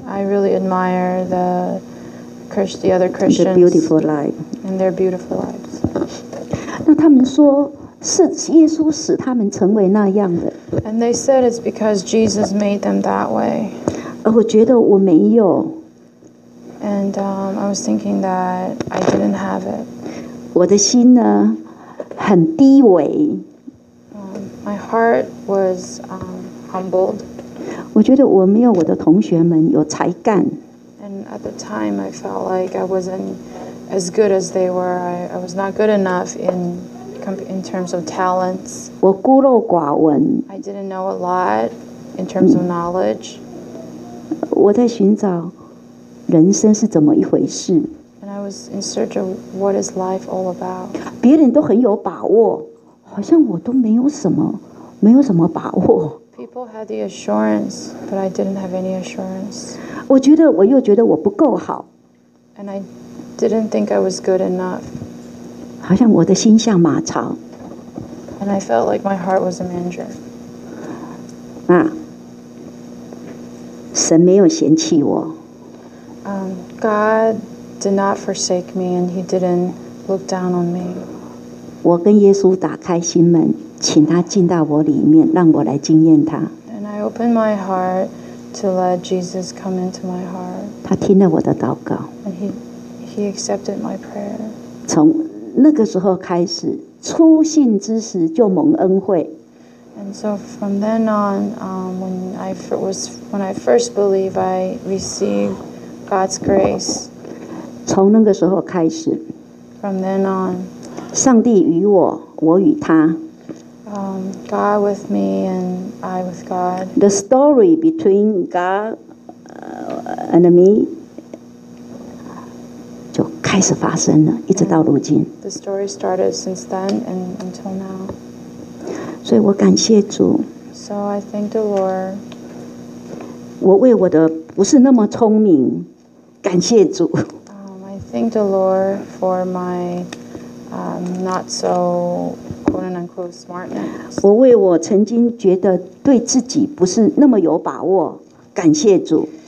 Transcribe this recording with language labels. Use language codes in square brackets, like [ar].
[en] I really admire the other Christians. The beautiful life. And their beautiful lives. [zh] 那他们说。是耶稣使他们成为那样的。 [en] And they said it's because Jesus made them that way. [zh] 而我觉得我没有。 [en] And I was thinking that I didn't have it. [zh] 我的心呢，很低微。 [en] My heart was humbled. [zh] 我觉得我没有我的同学们有才干。 [en] And at the time, I felt like I wasn't as good as they were. I was not good enough in terms of talents. [zh] 我孤陋寡闻。 [en] I didn't know a lot in terms of knowledge. [zh] 我在寻找人生是怎么一回事。 [en] And I was in search of what is life all about. [zh] 别人都很有把握，好像我都没有什么把握。 [en] People had the assurance, but I didn't have any assurance. [zh] 我觉得我又觉得我不够好。 [en] And I didn't think I was good enough. [zh] 好像我的心像马槽。 [en] And I felt like my heart was a manger. [zh] 啊，神没有嫌弃我。 [en] God did not forsake me, and He didn't look down on me. [zh] 我跟耶稣打开心门，请他进到我里面，让我来经验他。 [en] And I opened my heart to let Jesus come into my heart. [zh] 他听了我的祷告。 [en] And He accepted my prayer. [zh] 从那个时候开始，初信之时就蒙恩惠。 [en] And so from then on, when I first believe, I received God's grace. [zh] 从那个时候开始。 [en] From then on, [zh] 上帝与我，我与他。 [en] God with me and I with God. The story between God and me. [zh] 开始发生了，一直到如今。 [en] The story started since then and until now. [zh] 所以我感谢主。 [en] So I thank the Lord. [zh] 我为我的不是那么聪明，感谢主。 [en] I thank the Lord for my not so quote unquote smartness. [zh] 我为我曾经觉得对自己不是那么有把握，感谢主。